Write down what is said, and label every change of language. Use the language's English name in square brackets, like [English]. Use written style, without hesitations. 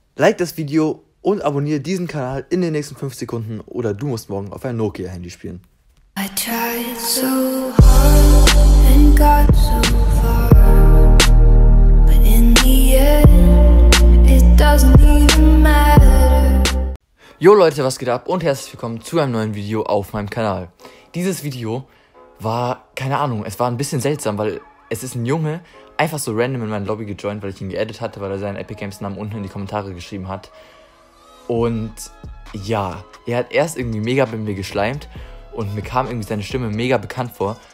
[German] Like das Video und abonniere diesen Kanal in den nächsten 5 Sekunden oder du musst morgen auf ein Nokia-Handy spielen. [English] I tried so hard and got so far, but in the end, it doesn't even matter. [German] Jo Leute, was geht ab und herzlich willkommen zu einem neuen Video auf meinem Kanal. Dieses Video war, keine Ahnung, es war ein bisschen seltsam, weil es ist ein Junge, einfach so random in mein Lobby gejoint, weil ich ihn geedit hatte, weil er seinen Epic Games Namen unten in die Kommentare geschrieben hat. Und ja, er hat erst irgendwie mega bei mir geschleimt und mir kam irgendwie seine Stimme mega bekannt vor.